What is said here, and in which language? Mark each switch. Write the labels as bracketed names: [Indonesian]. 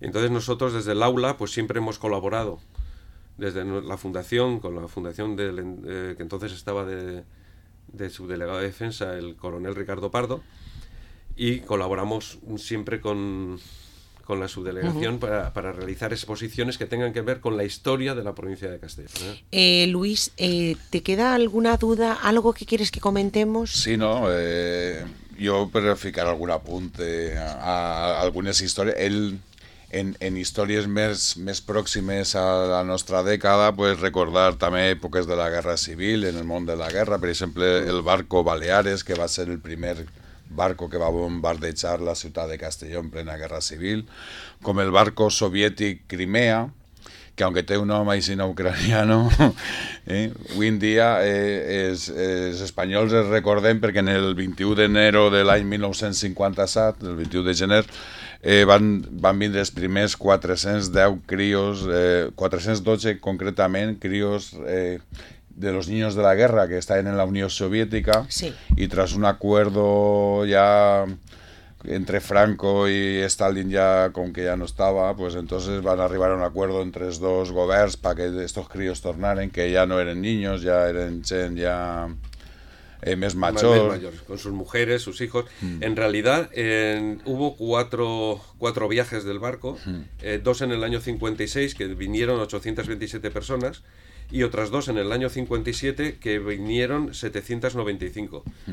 [Spanish] Entonces nosotros desde el aula pues siempre hemos colaborado desde la fundación, con la fundación que entonces estaba de subdelegado de defensa, el coronel Ricardo Pardo, y colaboramos siempre con la subdelegación. Uh-huh. para realizar exposiciones que tengan que ver con la historia de la provincia de Castellón. Luis, ¿te queda alguna duda, algo que quieres que comentemos? Sí, no, yo verificar algún apunte a algunas historias. [Catalan] En històries més pròximes a la nostra dècada, pues recordar també èpoques de la Guerra Civil, en el món de la guerra, per exemple, el barco Baleares, que va ser el primer barco que va bombardejar la ciutat de Castelló en plena Guerra Civil, com el barco soviètic Crimea, que aunque té un nom així no ucraniano, avui en dia els espanyols els recordem perquè en el 21 d'ener de l'any 1957, el 21 de gener, van vindre els primers 410 crios, 412 concretament, crios [Spanish] de los niños de la guerra [Catalan] que estaven en la Unió Soviètica. Sí. [Spanish] I tras un acuerdo ya entre Franco y Stalin ya, con que ya no estaba, pues entonces van a arribar a un acuerdo entre los dos governs para que estos críos tornaren, que ya no eran niños, ya eran gente ya más mayor. Con sus mujeres, sus hijos. Mm. En realidad hubo cuatro viajes del barco, dos en el año 56, que vinieron 827 personas, y otras dos en el año 57, que vinieron 795.